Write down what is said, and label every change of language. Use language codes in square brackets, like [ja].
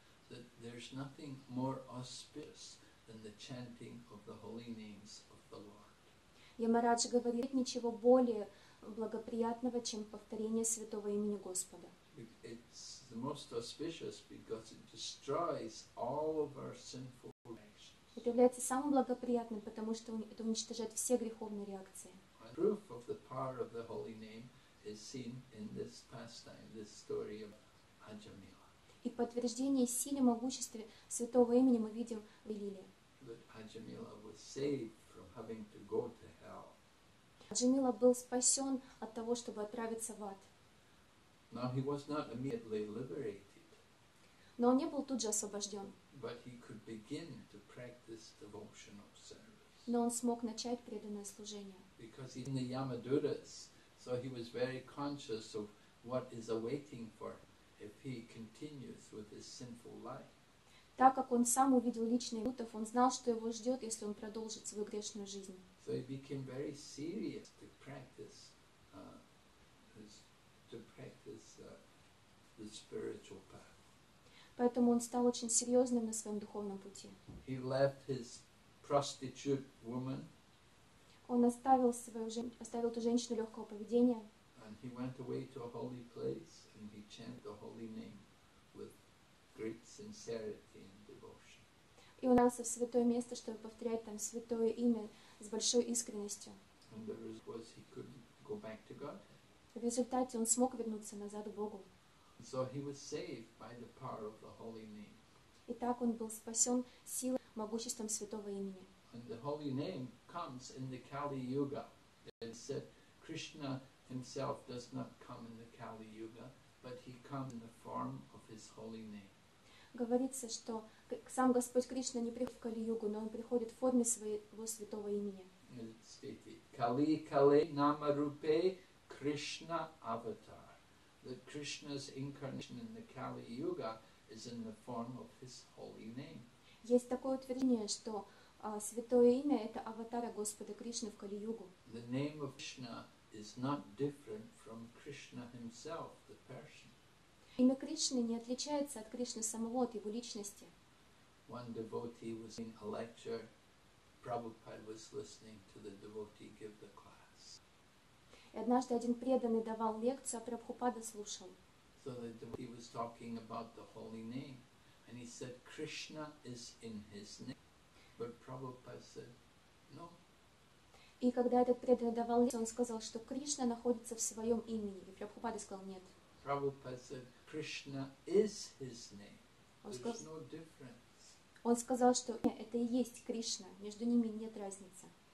[en] That there's nothing more auspicious than the chanting of the holy names of the Lord. [ru] Yamaraj говорит, ничего более благоприятного, чем повторение святого имени Господа. [en] It's the most auspicious because it destroys all of our sinful reactions. [ru] Это является самым благоприятным, потому что это уничтожает все греховные реакции. [en] Proof of the power of the holy name is seen in this pastime, this story of Ajamila. [ru] И подтверждение силы могущества святого имени мы видим в Лиле. [en] That Ajamila was saved from having to go to hell. [ru] Ajamila был спасен от того, чтобы отправиться в ад. [en] Now he was not immediately liberated. [ru] Но он не был тут же освобожден. [en] But he could begin to practice devotional service. [ru] Но он смог начать преданное служение. [en] Because he's in the Yamaduras, so he was very conscious of what is awaiting for him if he continues with his sinful life. [ru] Так как он сам увидел личные Ютов, он знал, что его ждет, если он продолжит свою грешную жизнь. [en] So he became very serious to practice the spiritual path. [ru] Поэтому он стал очень серьезным на своем духовном пути. [en] He left his prostitute woman. [ru] Он оставил свою оставил эту женщину легкого поведения. [en] And he went away to a holy place and he chanted the holy name with great sincerity and devotion. [ru] И он в святое место, чтобы повторять там святое имя с большой искренностью. [en] And the result was he couldn't go back to God. [ru] В результате он смог вернуться назад к Богу. [en] So he was saved by the power of the holy name. [ru] И так он был спасен силой, могуществом святого имени. [en] And the holy name comes in the Kali Yuga. It said Krishna himself does not come in the Kali Yuga, but he comes in the form of his holy name. [ru] Говорится, что сам Господь Кришна не приходит в Кали-Югу, но он приходит в форме своего святого имени. [sa] Kali Kale Nama Rupe Krishna Avatar. [en] That Krishna's incarnation in the Kali Yuga is in the form of his holy name. [ru] Есть такое утверждение, что святое имя это аватара Господа Кришны в Кали-Югу. [en] The name of Krishna is not different from Krishna himself, the person. [ru] Имя Кришны не отличается от Кришны самого, от его личности. [en] One devotee was in a lecture. Prabhupada was listening to the devotee give the class. [ru] И однажды один преданный давал лекцию, а Прабхупада слушал. [en] So the devotee was talking about the holy name. And he said, Krishna is in his name. But Prabhupada said, no. [ru] И когда этот преданный давал лекцию, он сказал, что Кришна находится в своем имени. И Прабхупада сказал, нет. [en] Prabhupada said, Krishna is his name. There's no difference. [ru] Он сказал, что это и есть Кришна, между ними нет разницы.